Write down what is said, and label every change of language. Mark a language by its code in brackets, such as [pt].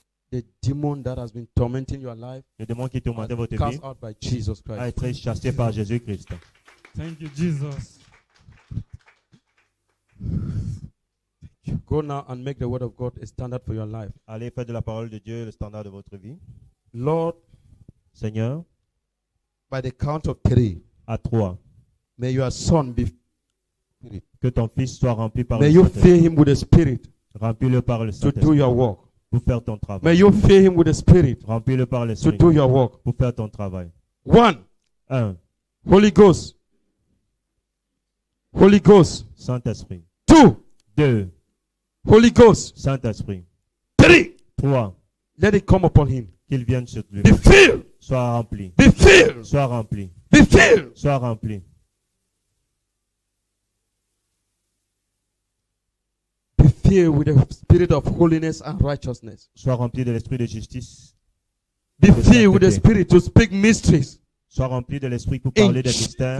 [en] The demon that has been tormenting your life [fr] Le démon qui tourmentait votre [en] cast [fr] vie [en] out by Jesus Christ. [fr] A été chassé par Jésus-Christ. [en] Thank you, Jesus. Go now and make the word of God a standard for your life. [fr] Allez, faites de la parole de Dieu le standard de votre vie. [en] Lord, [fr] Seigneur, [en] by the count of three, [fr] à trois, [en] may your son be [fr] spirit. Que ton fils soit rempli par [en] may [fr] le [en] you [fr] Saint-Esprit. [en] Fill him with the spirit. [fr] Remplis-le par le Saint-Esprit. [en] To do your work. [fr] Pour faire ton travail. [en] May you fill him with the spirit. [fr] Remplis-le par le [en] Saint-Esprit. To do your work. [fr] Pour faire ton travail. [en] One. [fr] Un. [en] Holy Ghost. Holy Ghost. [fr] Saint-Esprit. [en] Two. [fr] Deux. [en] Holy Ghost. [fr] Saint-Esprit. [en] Three. [fr] Trois. [en] Let it come upon him. [fr] Qu'il vienne sur lui. [en] Be filled. [fr] Sois rempli. [en] Be filled. [fr] Sois rempli. [en] Be filled. [fr] Sois rempli. [en] Be filled with the spirit of holiness and righteousness. [fr] Sois rempli de l'esprit de justice. [en] Be filled with the spirit to speak mysteries. [fr] Sois rempli de l'esprit pour parler des mystères.